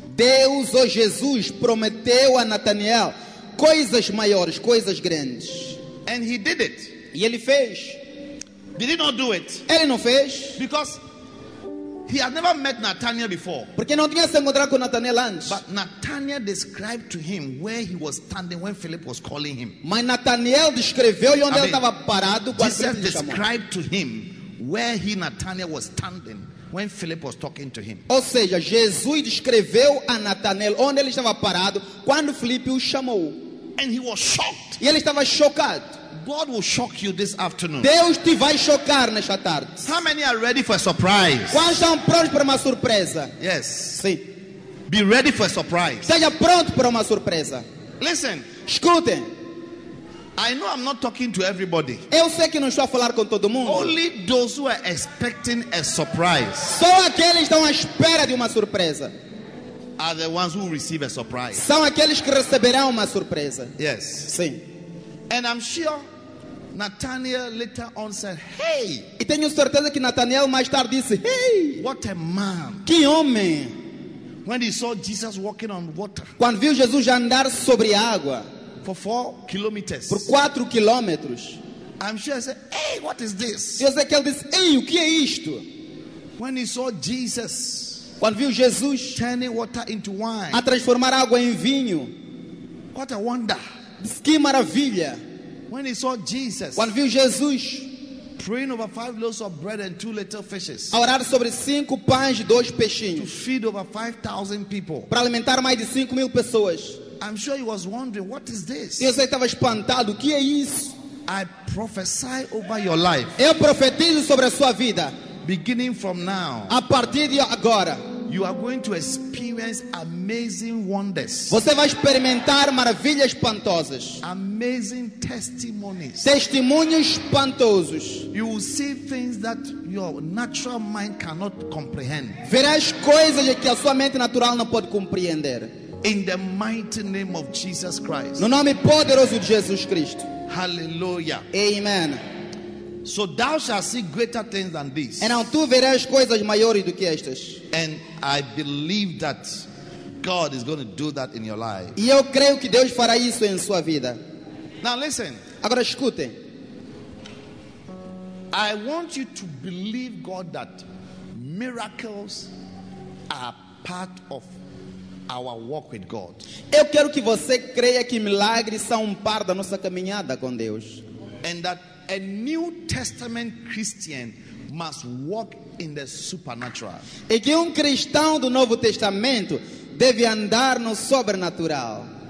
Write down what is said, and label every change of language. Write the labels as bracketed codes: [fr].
[pt] Deus ou Jesus prometeu a Nathanael coisas maiores, coisas grandes. [en] And he did it. [pt] E ele fez. [en] Did he not do it? [pt] Ele não fez. [en] Because he had never met Nathanael before. [pt] Porque não tinha se encontrado com Nathanael antes. [en] But Nathanael described to him where he was standing when Philip was calling him. [pt] Mas Nathanael descreveu onde ele estava parado quando [en] Jesus described to him where he Nathanael was standing when Philip was talking to him. [pt] Ou seja, Jesus descreveu a Nathanael onde ele estava parado quando Filipe o chamou. [en] And he was shocked. [pt] E ele estava chocado. [en] God will shock you this afternoon. [pt] Deus te vai chocar nesta tarde. [en] How many are ready for a surprise? [pt] Quais estão prontos para uma surpresa? [en] Yes. [pt] Sim. [en] Be ready for a surprise. [pt] Esteja pronto para uma surpresa. [en] Listen. [pt] Escutem. [en] I know I'm not talking to everybody. [pt] Eu sei que não estou a falar com todo mundo. [en] Only those who are expecting a surprise. [pt] Só aqueles que estão à espera de uma surpresa. [en] Are the ones who receive a surprise. [pt] São aqueles que receberão uma surpresa. [en] Yes. [pt] Sim. [en] And I'm sure Nathanael later on said, hey. [pt] E tenho certeza que Nathanael mais tarde disse, hey. [en] What a man. [pt] Que homem. [en] When he saw Jesus walking on water. [pt] Quando viu Jesus andar sobre água. [en] For 4 kilometers. [pt] Por 4 quilômetros. [en] I'm sure he said, hey, what is this? [pt] Eu sei que ele disse, hey, o que é isto? [en] When he saw Jesus. [pt] Quando viu Jesus. [en] Turning water into wine. [pt] A transformar água em vinho. [en] What a wonder. [pt] Que maravilha. [en] When he saw Jesus, [pt] quando viu Jesus [en] praying over 5 loaves of bread and 2 little fishes, [pt] a orar sobre 5 pães e 2 peixinhos, [en] to feed over 5,000 people, [pt] para alimentar mais de 5,000 pessoas. [en] I'm sure he was wondering, what is this? [pt] Eu sei, estava espantado, o que é isso? [en] I prophesy over your life. [pt] Eu profetizo sobre a sua vida. [en] Beginning from now, [pt] a partir de agora, [en] you are going to experience amazing wonders. [pt] Você vai experimentar maravilhas espantosas. [en] Amazing testimonies. [pt] Testemunhos espantosos. [en] You will see things that your natural mind cannot comprehend. [pt] Verás coisas que a sua mente natural não pode compreender. [en] In the mighty name of Jesus Christ. [pt] No nome poderoso de Jesus Cristo. [en] Hallelujah. [pt] Amen. [en] So thou shalt see greater things than this. [pt] Então tu verás coisas maiores do que estas. [en] And I believe that God is going to do that in your life. [pt] E eu creio que Deus fará isso em sua vida. [en] Now listen. [pt] Agora escutem. [en] I want you to believe God that miracles are part of our walk with God. [pt] Eu quero que você creia que milagres são parte da nossa caminhada com Deus. [en] And that a New Testament Christian must walk in the supernatural. [pt] E que cristão do Novo Testamento deve andar no sobrenatural.